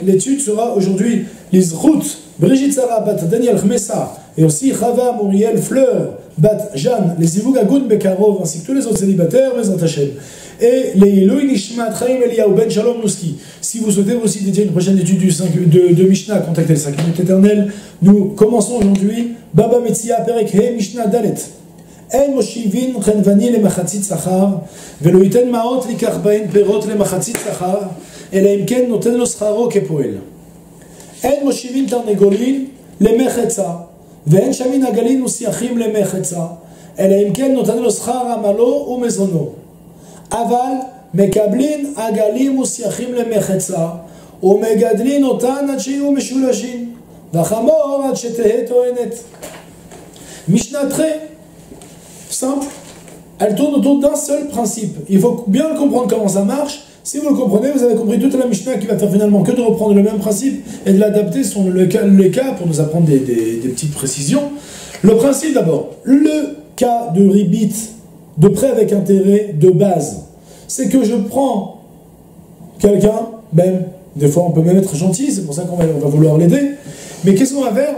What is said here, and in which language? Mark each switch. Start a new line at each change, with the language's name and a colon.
French: L'étude sera aujourd'hui l'Izrout, Brigitte Sarah, Bat Daniel Khmessa, et aussi Chava Muriel Fleur, Bat Jeanne, les Ivougagoun Bekarov, ainsi que tous les autres célibataires, mes Antachem, et les Eloi Nishmat Chaim Eliaou Ben Shalom Nouski. Si vous souhaitez aussi dédier une prochaine étude de Mishnah, contactez le 5 minutes éternel. Nous commençons aujourd'hui Baba Metzia Perek He Mishnah Dalet.
Hebrew: אין מושיבין חנווני למחצית שכר, ולא ייתן מעות לקח בהן פירות למחצית שכר, אלא אם כן נותן לו שכרו כפועל. אין מושיבין תרנגולין למחצה, ואין שמין עגלין ושיחים למחצה, אלא אם כן נותן לו שכר עמלו ומזונו. אבל מקבלין עגלים ושיחים למחצה, ומגדלין אותן עד שיהיו משולשים, וחמור עד שתהה טוענת.
French: משנתכי, simple, elle tourne autour d'un seul principe. Il faut bien comprendre comment ça marche. Si vous le comprenez, vous avez compris toute la Mishnah qui va faire finalement que de reprendre le même principe et de l'adapter sur le cas pour nous apprendre des petites précisions. Le principe d'abord, le cas de ribit, de prêt avec intérêt, de base, c'est que je prends quelqu'un, même, des fois on peut même être gentil, c'est pour ça qu'on va vouloir l'aider, mais qu'est-ce qu'on va faire?